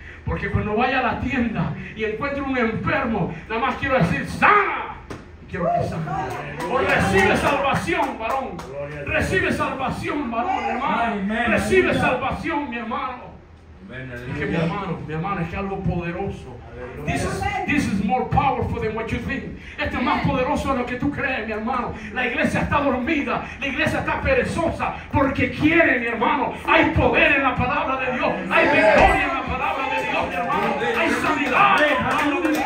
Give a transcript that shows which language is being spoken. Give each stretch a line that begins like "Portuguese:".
Spanish: Porque cuando vaya a la tienda y encuentre un enfermo, nada más quiero decir, sana. Quiero que sana. O recibe salvación, varón. Recibe salvación, varón, hermano. Recibe salvación, mi hermano. Es que mi hermano, es que algo poderoso.
English: This is more powerful than what you think.
Spanish: Esto es más poderoso de lo que tú crees, mi hermano. La iglesia está dormida, la iglesia está perezosa, porque quiere, mi hermano. Hay poder en la palabra de Dios, hay victoria en la palabra de Dios, mi hermano. Hay sanidad, mi hermano.